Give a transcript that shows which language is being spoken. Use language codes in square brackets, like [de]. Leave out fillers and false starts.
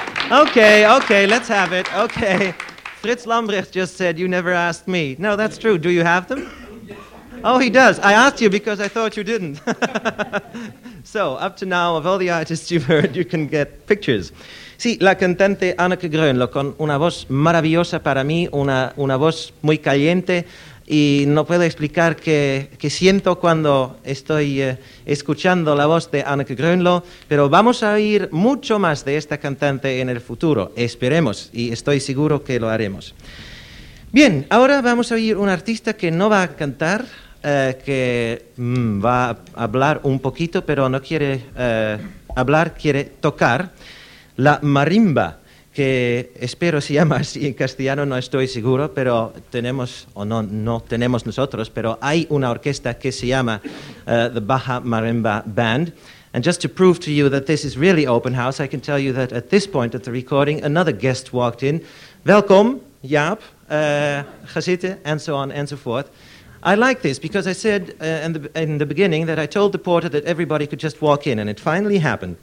[en] Okay, let's have it. Okay. Fritz Lambrecht just said, you never asked me. No, that's true. Do you have them? Oh, he does. I asked you because I thought you didn't. So, up to now, of all the artists you've heard, you can get pictures. [es] Sí, la cantante Annika Grönlo, con una voz maravillosa para mí, una voz muy caliente, y no puedo explicar qué siento cuando estoy escuchando la voz de Annika Grönlo, pero vamos a oír mucho más de esta cantante en el futuro, esperemos, y estoy seguro que lo haremos. Bien, ahora vamos a oír un artista que no va a cantar, que va a hablar un poquito, pero no quiere hablar, quiere tocar la marimba, que espero se llama así en castellano, no estoy seguro, pero tenemos, o no tenemos nosotros, pero hay una orquesta que se llama the Baja Marimba Band. [en] And just to prove to you that this is really open house, I can tell you that at this point of the recording, another guest walked in. [nl] Welkom, Jaap, gezitten, [en] and so on and so forth. I like this because I said in the beginning that I told the porter that everybody could just walk in, and it finally happened.